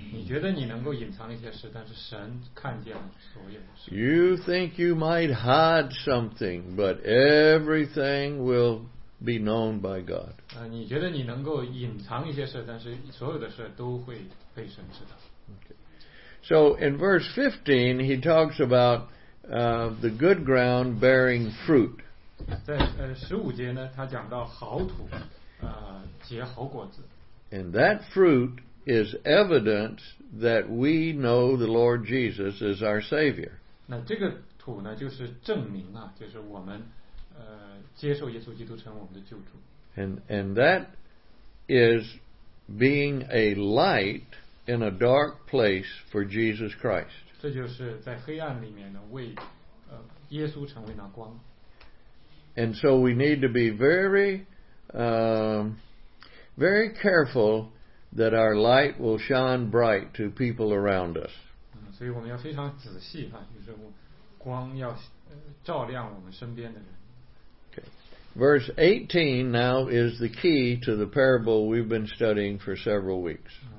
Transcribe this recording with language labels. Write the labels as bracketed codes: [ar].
[en] You think you might hide something, but everything will be known by God. Okay. So in verse 15, he talks about the good ground bearing fruit. [zh] 在15节呢, 他讲到好土, 结好果子, [en] and that fruit is evidence that we know the Lord Jesus as our Savior. [zh] 那这个土呢, 就是证明啊, 就是我们, 接受耶稣基督成我们的救主, [en] and that is being a light in a dark place for Jesus Christ. [zh] 这就是在黑暗里面呢, 为, 耶稣成为那光。 [en] And so we need to be very, very careful that our light will shine bright to people around us. [zh] 所以我们要非常仔细啊, 就是光要, [en] okay. Verse 18 now is the key to the parable we've been studying for several weeks.